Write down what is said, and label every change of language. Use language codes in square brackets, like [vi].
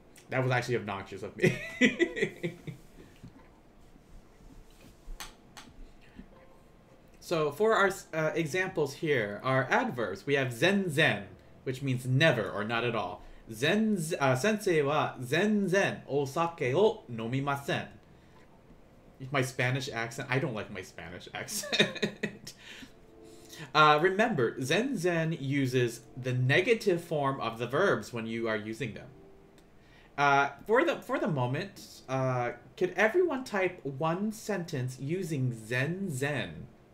[en] That was actually obnoxious of me. So So for our examples here, our adverbs, we have 全然, which means never or not at all. [ja] 全然、先生は全然お酒を飲みません。 [en] My Spanish accent, I don't like my Spanish accent. remember, 全然 uses the negative form of the verbs when you are using them. For the moment, could everyone type one sentence using 全然?